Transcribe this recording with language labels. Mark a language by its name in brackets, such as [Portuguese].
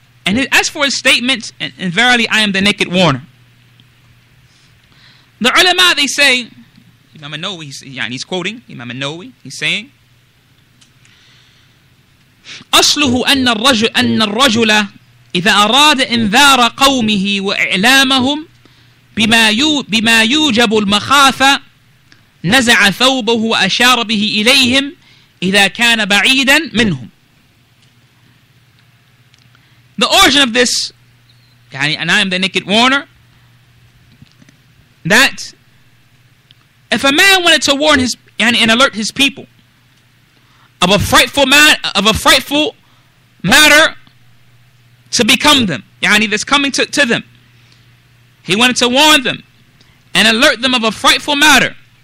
[English] And as for his statements, and verily I am the naked warner. The ulama, they say, Imam An-Nawawi, he's quoting Imam An-Nawawi, he's saying, [Arabic] أصله أن الرجل أن الرجل إذا أراد إنذار قومه وإعلامهم بما يوجب المخافة نزع ثوبه وأشار به إليهم إذا كان بعيدا منهم. [English] The origin of this, يعني, and I am the naked warner, that if a man wanted to warn his يعني, and alert his people of a frightful matter to become them, يعني, that's coming to them, he wanted to warn them and alert them of a frightful matter.